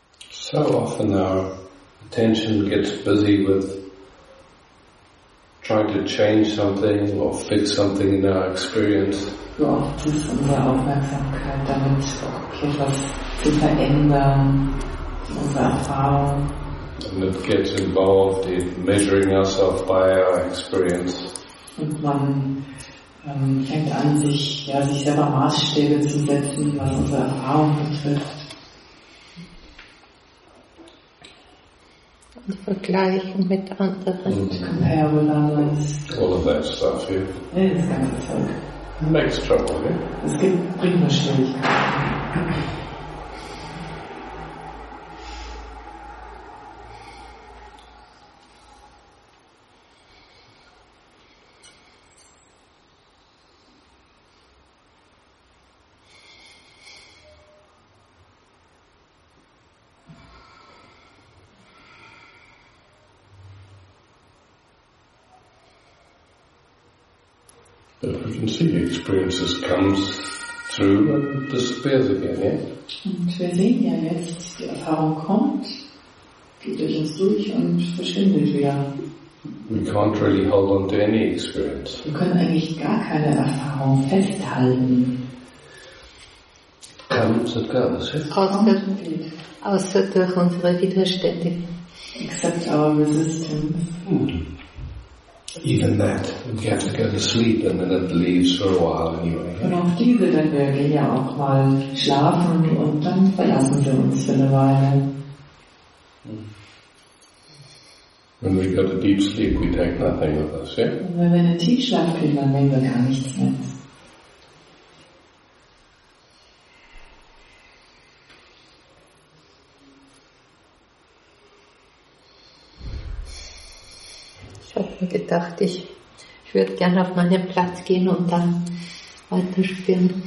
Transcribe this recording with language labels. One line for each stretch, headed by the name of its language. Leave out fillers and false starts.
English: So often our attention gets busy with trying to change something or fix something in our experience.
German: So oft ist unsere Aufmerksamkeit damit, etwas zu verändern, unsere Erfahrung.
English: And it gets involved in measuring ourselves by our experience.
German: Und man fängt an, sich selber Maßstäbe zu setzen, was unsere Erfahrung betrifft. Vergleichen mit anderen.
English: Compare with others. All of that stuff, yeah.
German: Das ganze Zeug.
English: It makes trouble, yeah.
German: Es bringt nur Schwierigkeiten.
English: We can see the experiences comes through and disappears again, yeah?
German: Und wir sehen ja jetzt, die Erfahrung kommt, geht durch uns durch und verschwindet wieder.
English: We can't really hold on to any experience.
German: Wir können eigentlich gar keine Erfahrung festhalten.
English: Comes and goes, yeah?
German: Außer durch unsere Widerstände.
English: Except our resistance. Even that, we have to go to sleep and then it leaves for a while anyway.
German: Und auch diese, dann wir gehen ja auch mal schlafen und dann verlassen wir uns für eine Weile.
English: When we go to deep sleep, we take nothing with us, yeah?
German: Und wenn wir in den Tiefschlaf gehen, dann nehmen wir gar nichts mit. Gedacht, ich würde gerne auf meinen Platz gehen und dann weiterspielen.